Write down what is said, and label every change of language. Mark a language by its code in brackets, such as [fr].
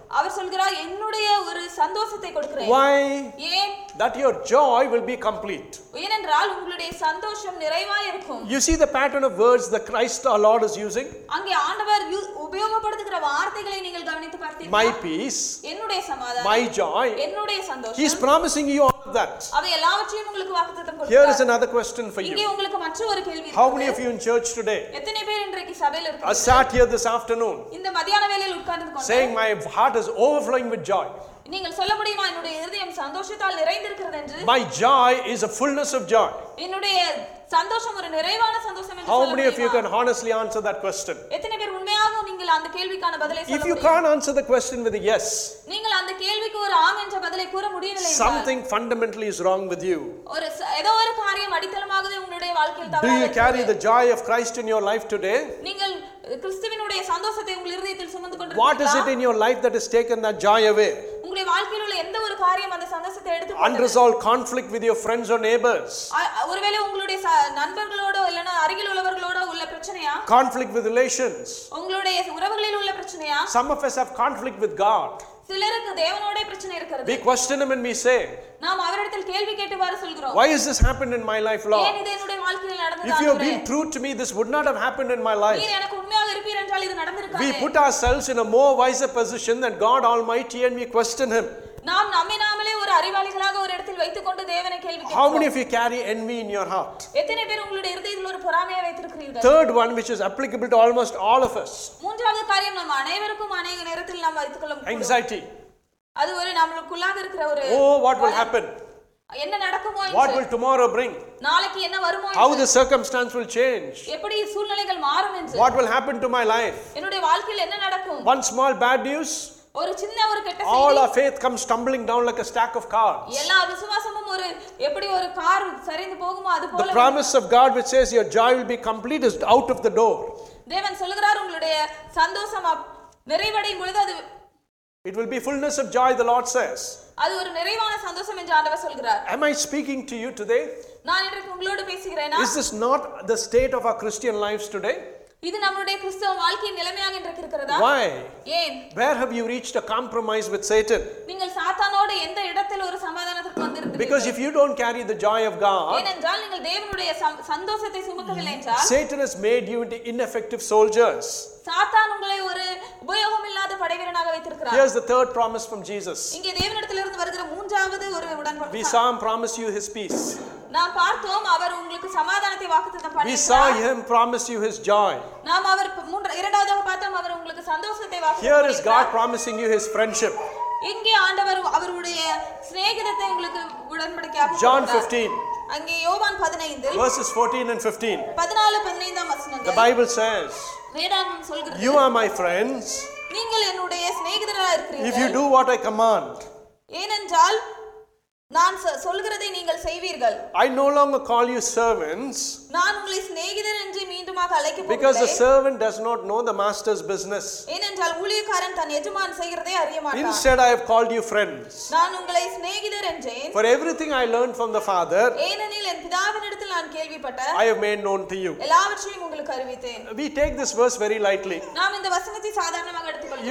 [ta] அவர் சொல்கிறார் என்னுடைய ஒரு சந்தோஷத்தை கொடுக்கிறேன் [en] why [ta] ஏன் [en] that your joy will be complete [ta] ஏனென்றால் உங்களுடைய சந்தோஷம் நிறைவாக இருக்கும் [en] you see the pattern of words the Christ our Lord is using [ta] அங்கே ஆண்டவர் உபயோகப்படுத்துகிற வார்த்தைகளை நீங்கள் கவனித்து பார்த்தீர்களா [en] my peace [ta] என்னுடைய சமாதானம் [en] my joy [ta] என்னுடைய சந்தோஷம் [en] he is promising you all of that [ta] அவை எல்லாவற்றையும் உங்களுக்கு வாக்குத்தத்தம் கொடுக்கிறார் [en] here is another question for you [ta] இங்கே உங்களுக்கு மற்றொரு கேள்வி இருக்கு [en] how many of you in church today [ta] எத்தனை பேர் இன்றைக்கு சபையில் இருக்கீங்க [en] I sat here this afternoon [ta] இந்த மதியான வேளையில் உட்கார்ந்து கொண்டேன் [en] saying my heart is overflowing with joy [ta] நீங்கள் சொல்ல முடியுமா என்னுடைய இதயம் சந்தோஷத்தால் நிறைந்திருக்கிறது என்று [en] my joy is a fullness of joy [ta] என்னுடைய சந்தோஷம் ஒரு நிறைவான சந்தோஷம் என்று சொல்ல முடியுமா [en] how many of you can honestly answer that question [ta] எத்தனை பேர் உண்மையாக நீங்கள் அந்த கேள்விக்கான பதிலை சொல்ல முடியும் [en] if you can't answer the question with a yes [ta] நீங்கள் அந்த கேள்விக்கு ஒரு ஆம் என்ற பதிலை கூற முடியவில்லை என்றால் [en] something fundamentally is wrong with you [ta] ஒரு ஏதோ ஒரு காரியம் அடித்தளமாகவே உங்களுடைய வாழ்க்கையில் தவறாக [en] do you carry the joy of Christ in your life today [ta] நீங்கள் கிறிஸ்துவினுடைய சந்தோஷத்தை உங்கள் இதயத்தில் சுமந்து கொண்டிருக்கிறீர்களா [en] what is it in your life that has taken that joy away [ta] உங்கள் வாழ்க்கையில் உள்ள எந்த ஒரு காரியம் அந்த சந்தோஷத்தை எடுத்து [en] unresolved conflict with your friends or neighbors [ta] ஒருவேளை உங்களுடைய நண்பர்களோடோ இல்லனா அருகில் உள்ளவர்களோடோ உள்ள பிரச்சனையா [en] conflict with relations [ta] உங்களுடைய உறவுகளில் உள்ள பிரச்சனையா [en] some of us have conflict with god [ta] சிலருக்கு தேவனோடே பிரச்சனை இருக்கிறது [en] we question him and we say [ta] நாம் அவரிடத்தில் கேள்வி கேட்டு வர சொல்கிறோம் [en] why has this happened in my life lord [ta] ஏன் இது என்னுடைய வாழ்க்கையில் நடந்தது [en] if you have been true to me this would not have happened in my life [ta] நீ எனக்கு உண்மையாக இருப்பீர் என்றால் இது நடந்திருக்காது [en] we put ourselves in a more wiser position than god almighty and we question him [ta] நாம் நம்மை நாமளே ஒரு அறிவாளிகளாக ஒரு இடத்தில் வைத்துக் கொண்டு தேவனை கேள்வி கேட்கிறோம் [en] how many of you carry envy in your heart [ta] எத்தனை பேர் உங்களுடைய இதயத்தில் ஒரு பொறாமையை வைத்திருக்கிறீர்கள் [en] third one which is applicable to almost all of us [ta] மூன்றாவது காரியம் நம் அனைவருக்கும் அநேக நேரத்தில் நாம் வைத்துக் கொள்ளும் [en] anxiety [ta] அது ஒரு நம்மளுக்குள்ளாக இருக்கிற ஒரு [en] oh what will happen [ta] என்ன நடக்குமோ [en] what will tomorrow bring [ta] நாளைக்கு என்ன வருமோ [en] how the circumstance will change [ta] எப்படி சூழ்நிலைகள் மாறும் என்று [en] what will happen to my life [ta] என்னுடைய வாழ்க்கையில் என்ன நடக்கும் [en] one small bad news [ta] ஒரு சின்ன ஒரு கெட்ட செய்தி [en] all our faith comes tumbling down like a stack of cards [ta] எல்லா விசுவாசமும் ஒரு எப்படி ஒரு கார் சரிந்து போகுமோ அது போல [en] the promise of god which says your joy will be complete is out of the door [ta] தேவன் சொல்கிறார் உங்களுடைய சந்தோஷம் நிறைவடையும் பொழுது அது [en] it will be fullness of joy the lord says [ta] அது ஒரு நிறைவான சந்தோஷம் என்று ஆண்டவர் சொல்கிறார் [en] am I speaking to you today [ta] நான் இன்றைக்கு உங்களோடு பேசுகிறேனா [en] is this not the state of our christian lives today [ta] இது நம்மளுடைய கிறிஸ்தவ வாழ்க்கையின் நிலைமையாக இருக்கிறதா [en] why [ta] ஏன் [en] where have you reached a compromise with satan [ta] நீங்கள் சாத்தானோடு எந்த இடத்தில் ஒரு சமாதானத்துக்கு வந்திருக்கிறீர்கள் [en] because if you don't carry the joy of god [ta] ஏனென்றால் நீங்கள் தேவனுடைய சந்தோஷத்தை சுமக்கவில்லை என்றால் [en] satan has made you into ineffective soldiers [ta] சாத்தான் உங்களை ஒரு உபயோகமில்லாத படைவீரனாக வைத்திருக்கிறார் [en] here is the third promise from jesus [ta] இங்கே தேவனிடத்திலிருந்து வருகிற மூன்றாவது ஒரு உடன்படிக்கை [en] we saw him promise you his peace [ta] நாம் பார்த்தோம் அவர் உங்களுக்கு சமாதானத்தை வாக்குத்தத்தம் பண்ணினார் [en] we saw him promise you his joy [ta] நாம் அவர் இரண்டாவதாக பார்த்தோம் அவர் உங்களுக்கு சந்தோஷத்தை வாக்குத்தத்தம் [en] here is god promising you his friendship [ta] இங்கே ஆண்டவர் அவருடைய சிநேகிதத்தை உங்களுக்கு உடன்படிக்கையாக [en] john 15 [ta] அங்கே யோவான் 15 [en] verses 14 and 15 [ta] 14 15 ஆம் வசனங்கள் [en] the bible says [ta] வேதாகமம் சொல்கிறது [en] you are my friends [ta] நீங்கள் என்னுடைய சிநேகிதராக இருக்கிறீர்கள் [en] if you do what I command [ta] ஏனென்றால் நான் சொல்கிறதை நீங்கள் செய்வீர்கள் [en] I no longer call you servants [ta] நான் உங்களை சிநேகிதர் என்று மீண்டும் அழைக்கப்படவில்லை [en] because the servant does not know the master's business [ta] ஏனென்றால் ஊழியக்காரன் தன் எஜமான் செய்கிறதை அறிய மாட்டான் [en] instead I have called you friends [ta] நான் உங்களை சிநேகிதர் என்றேன் [en] for everything I learned from the father [ta] ஏனெனில் என் பிதாவினிடத்தில் நான் கேள்விப்பட்ட [en] I have made known to you [ta] எல்லாவற்றையும் உங்களுக்கு அறிவித்தேன் [en] we take this verse very lightly [ta] நாம் இந்த வசனத்தை சாதாரணமாக எடுத்துக்கொள்வோம்